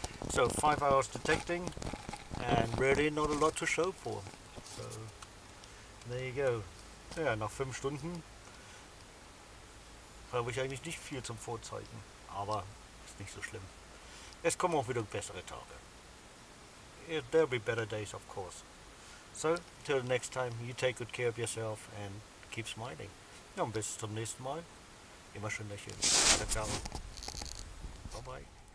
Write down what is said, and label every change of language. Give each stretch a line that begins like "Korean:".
English: So 5 hours detecting and really not a lot to show for. So there you go.
German: Ja, nach 5 Stunden habe ich eigentlich nicht viel zum Vorzeigen. Aber ist nicht so schlimm. Es kommen auch wieder bessere Tage.
English: There'll be better days, of course. So, till the next time, you take good care of yourself and keep smiling.
German: Ja, und bis zum nächsten Mal. Immer schön lächeln. Ciao. Bye-bye.